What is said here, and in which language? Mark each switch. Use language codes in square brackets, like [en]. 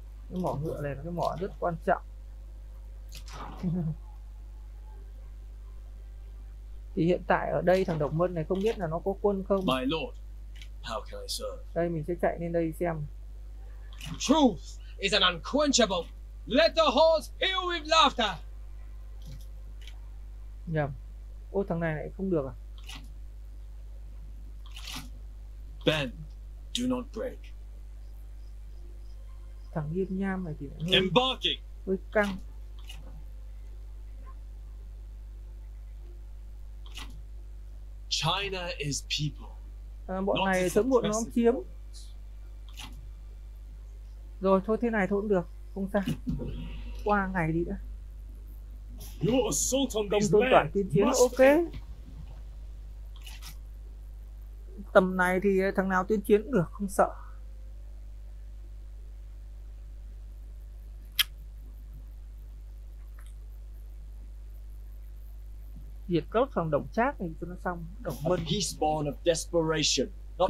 [vi] Cái mỏ ngựa này là cái mỏ rất quan trọng. Thì hiện tại ở đây thằng Đổng Mân này không biết là nó có quân không. [en] My lord, how can I serve? [vi] Đây mình sẽ chạy lên đây xem. [en] Truth is an unquenchable. Let the horse peal with laughter. [vi] Nhầm. Ôi thằng này lại không được à? [en] Bend, do not break. [vi] Thằng Yên Nham này thì lại hơi... [en] Embarking. [vi] Hơi căng. [en] China is people. [vi] Bọn này sớm muộn nó chiếm. Rồi thôi thế này thôi cũng được, không sao. Qua ngày đi đã. [en] Your assault on [vi] công tôn toàn tiên chiến, ok. Tầm này thì thằng nào tiên chiến cũng được, không sợ. Diệt cốt thằng Đổng Trác thì cho nó xong. Đổng Mân. [en] Peace born of desperation, not